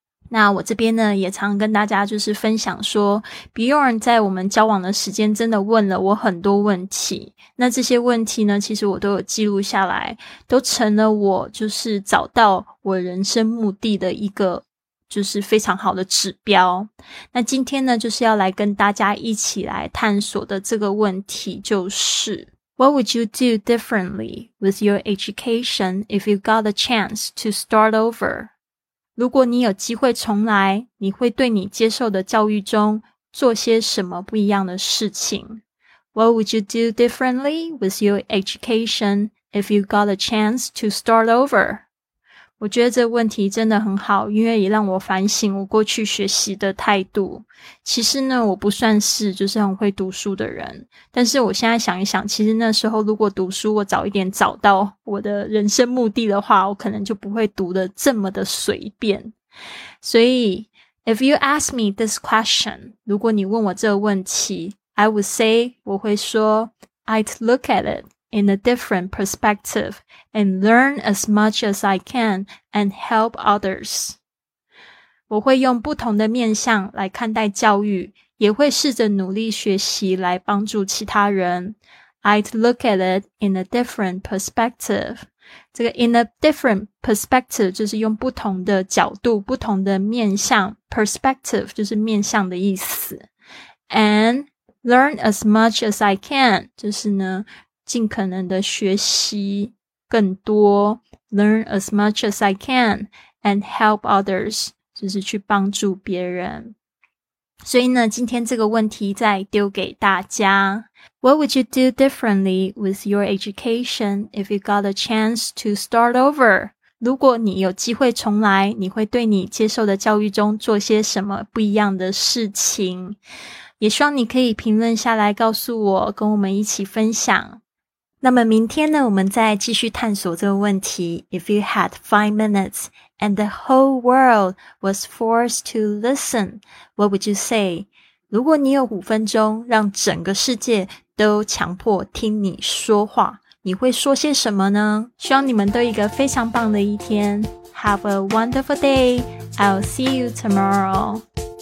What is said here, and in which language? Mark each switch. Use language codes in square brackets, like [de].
[zh] 那我这边呢，也常跟大家就是分享说， Beyond 在我们交往的时间真的问了我很多问题，那这些问题呢，其实我都有记录下来，都成了我就是找到我人生目的的一个就是非常好的指标。那今天呢，就是要来跟大家一起来探索的这个问题就是 [en] What would you do differently with your education if you got a chance to start over? [zh] 如果你有机会重来，你会对你接受的教育中做些什么不一样的事情？ [en] What would you do differently with your education if you got a chance to start over? [zh] 我觉得这问题真的很好，因为也让我反省我过去学习的态度。其实呢，我不算是就是很会读书的人，但是我现在想一想，其实那时候如果读书我早一点找到我的人生目的的话，我可能就不会读得这么的随便。 [en] 所以 If you ask me this question, [zh] 如果你问我这个问题， [en] I would say, [zh] 我会说 [en] I'd look at it in a different perspective and learn as much as I can and help others. [zh] 我会用不同的面向来看待教育，也会试着努力学习来帮助其他人。 [en] I'd look at it in a different perspective. [zh] 这个 [en] in a different perspective [zh] 就是用不同的角度，不同的面向， perspective 就是面向的意思。 [en] And learn as much as I can [zh] 就是呢，尽可能的学习更多， [en] learn as much as I can and help others. [zh] 就是去帮助别人。所以呢，今天这个问题再丢给大家。 [en] What would you do differently with your education if you got a chance to start over? [zh] 如果你有机会重来，你会对你接受的教育中做些什么不一样的事情？也希望你可以评论下来告诉我，跟我们一起分享。那么明天呢，我们再继续探索这个问题。 [en] If you had 5 minutes and the whole world was forced to listen, what would you say? [zh] 如果你有5分钟，让整个世界都强迫听你说话，你会说些什么呢？希望你们都一个非常棒的一天。 [en] Have a wonderful day. I'll see you tomorrow.